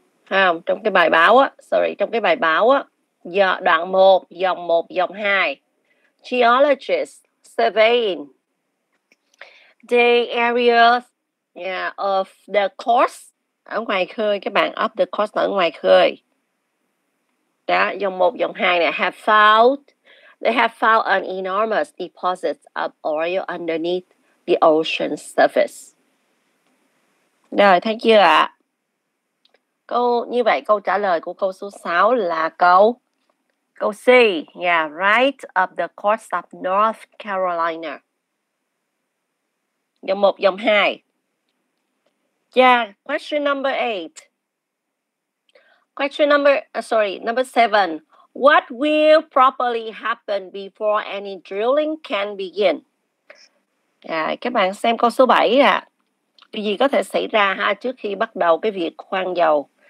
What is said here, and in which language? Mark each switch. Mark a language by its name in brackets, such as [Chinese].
[Vietnamese] Không, trong cái bài báo á, trong cái bài báo á, giờ đoạn 1, dòng 1, dòng 2. [English] Geologists surveying the area of the coast. [Vietnamese] Ở ngoài khơi các bạn, of the coast ở ngoài khơi. Đó, dòng 1, dòng 2 nè, [English] they have found an enormous deposit of oil underneath the ocean surface. [Vietnamese] Rồi, thấy chưa ạ? Câu như vậy câu trả lời của câu số 6 là câu C, [English] right up the coast of North Carolina. [Vietnamese] Dòng 1, dòng 2. [English] Question number 8. Number 7. What will properly happen before any drilling can begin? [Vietnamese] Các bạn xem câu số 7 ạ. Cái gì có thể xảy ra ha trước khi bắt đầu cái việc khoan dầu?